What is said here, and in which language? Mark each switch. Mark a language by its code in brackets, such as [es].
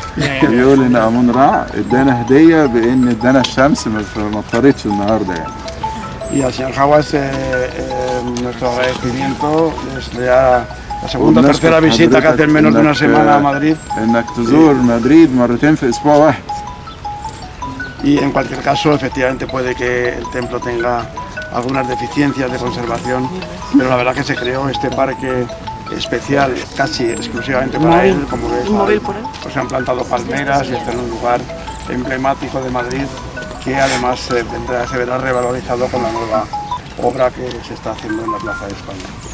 [ar] يقول ان Amon Ra ادانا هدية بان ادانا الشمس ما مطرتش النهارده يعني. [es] Y al señor Hawass nuestro agradecimiento desde ya la segunda tercera visita que hace en menos de una semana a Madrid. [ar] انك تزور مدريد مرتين في اسبوع واحد. [es] Y en cualquier caso, efectivamente, puede que el templo tenga algunas deficiencias de conservación, pero la verdad es que se creó este parque especial, casi exclusivamente para él, como ves. Pues se han plantado palmeras y está en un lugar emblemático de Madrid, que además se verá revalorizado con la nueva obra que se está haciendo en la Plaza de España.